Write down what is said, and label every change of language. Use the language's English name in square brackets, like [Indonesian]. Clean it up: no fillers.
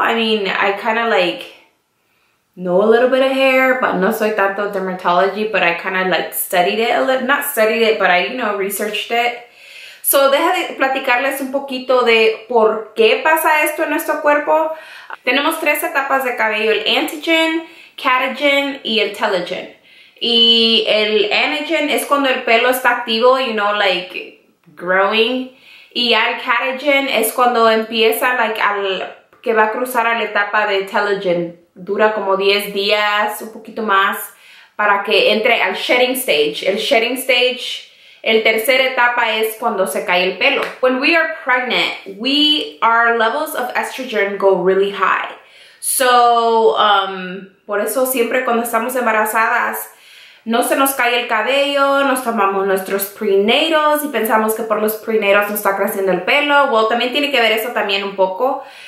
[English] I mean, I kind of, like, know a little bit of hair, but [Spanish] no soy tanto [English] dermatology, but I kind of, like, studied it a little, not studied it, but I, you know, researched it. [Spanish] So, deja de platicarles un poquito de por qué pasa esto en nuestro cuerpo. Tenemos 3 etapas de cabello, el antigen, catagen y el telogen. Y el antigen es cuando el pelo está activo, [English] you know, like, growing. [Spanish] Y el catagen es cuando empieza, like, al, que va a cruzar a la etapa de telogen. Dura como 10 días, un poquito más, para que entre al shedding stage. El shedding stage... El tercer etapa es cuando se cae el pelo. [English] When we are pregnant, we our levels of estrogen go really high. [Spanish] So, por eso siempre cuando estamos embarazadas, no se nos cae el cabello, nos tomamos nuestros prenatals y pensamos que por los prenatals nos está creciendo el pelo. Well, también tiene que ver eso también un poco.